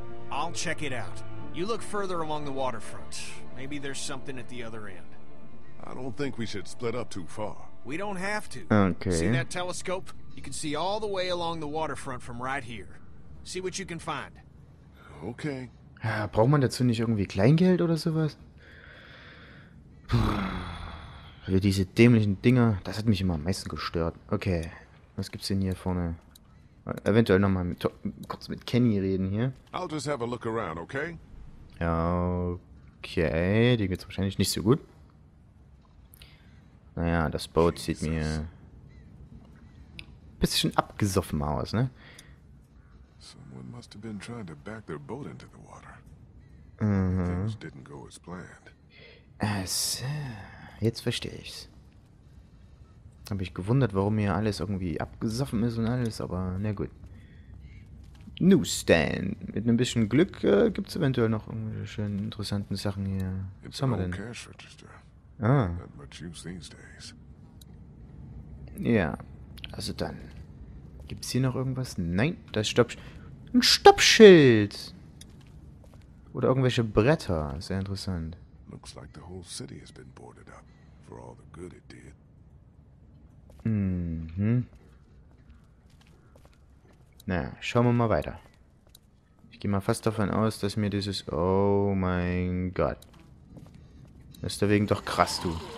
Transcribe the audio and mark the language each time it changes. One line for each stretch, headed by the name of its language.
English: I'll check it out. You look further along the waterfront. Maybe there's something at the other end. I don't think we should split up too far. We don't have to. Okay. See that telescope? You can see all the way along the waterfront from right here. See what you can find. Okay.
German: Ja, braucht man dazu nicht irgendwie Kleingeld oder sowas? Für diese dämlichen Dinger. Das hat mich immer am meisten gestört. Okay. Was gibt's denn hier vorne? Eventuell noch mal mit, kurz mit Kenny reden hier.
English: I'll just have a look around, okay?
German: Ja, okay. Dem geht's wahrscheinlich nicht so gut. Naja, das Boot sieht mir ein bisschen abgesoffen aus, ne?
English: Someone must have been trying to back their boat into the water. Things didn't go as planned.
German: Jetzt verstehe ich's. Habe ich gewundert, warum hier alles irgendwie abgesoffen ist und alles, aber na gut. Newsstand. Mit ein bisschen Glück gibt es eventuell noch irgendwelche schönen, interessanten Sachen hier. Was haben wir denn?
English: Cash register. Not much use these days.
German: Ja, also dann. Gibt es hier noch irgendwas? Nein, das ist ein Stoppschild. Oder irgendwelche Bretter. Sehr interessant.
English: Looks like the whole city has been boarded up for all the good it did. Mhm.
German: Naja, schauen wir mal weiter. Ich gehe mal fast davon aus, dass mir dieses... Oh mein Gott. Das ist deswegen doch krass, du.